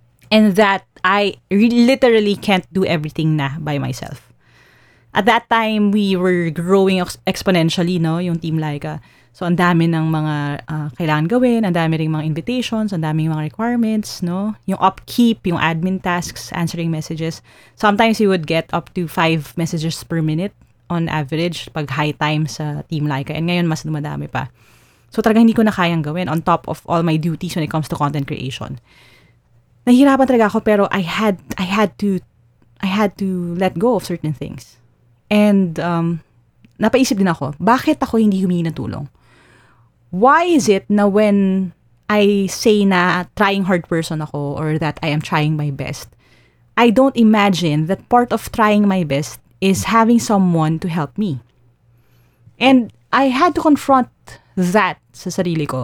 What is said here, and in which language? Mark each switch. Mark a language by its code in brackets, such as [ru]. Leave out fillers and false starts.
[en] And that I literally can't do everything na by myself. At that time, we were growing exponentially, no, yung Team Laika. [tl] So, ang dami ng mga kailangan gawin, ang dami rin mga invitations, ang dami mga requirements, no? [en] Yung upkeep, yung admin tasks, answering messages. Sometimes, you would get up to 5 messages per minute on average pag high time sa Team Laika. And ngayon, [tl] mas dumadami pa. [en] So, [tl] talaga hindi ko na kayang gawin [en] on top of all my duties when it comes to content creation. [tl] Nahihirapan talaga ako, [en] pero I had to let go of certain things. [tl] And napaisip din ako, bakit ako hindi humingi ng tulong? [en] Why is it na when I say na trying hard person ako or that I am trying my best, I don't imagine that part of trying my best is having someone to help me? And I had to confront that [tl] sa sarili ko.